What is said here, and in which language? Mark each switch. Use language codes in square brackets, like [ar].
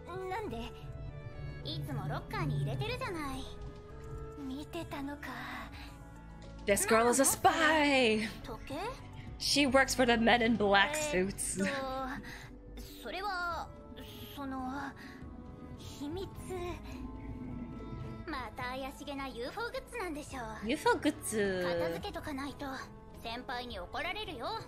[ja] なんで?いつもロッカーに入れてるじゃない。見てたのか。 [en] This girl is a spy! [ja] 時計? [en] She works for the men in black suits. [ja] それは、その… 秘密…また怪しげな UFO グッズなんでしょ? UFO グッズ… 片付けとかないと、先輩に怒られるよ。